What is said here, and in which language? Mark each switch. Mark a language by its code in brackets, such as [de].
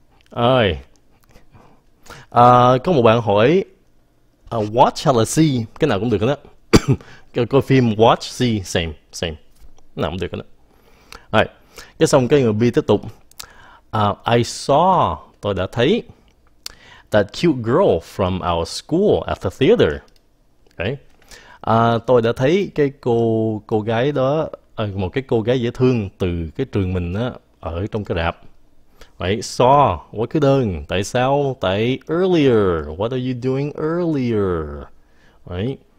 [vi] Ơi. Có một bạn hỏi watch hay là see? Cái nào cũng được hết á. Coi phim watch, see, same, same. Cái nào cũng được hết á. Rồi. Cái xong cái người B tiếp tục. [en] I saw, [vi] tôi đã thấy [en] that cute girl from our school at the theater. Okay. [vi] Tôi đã thấy cái cô gái đó, một cái cô gái dễ thương từ cái trường mình á, ở trong cái rạp. Vậy so, quá khứ đơn. Tại sao? Tại earlier. [en] What are you doing earlier? Vậy.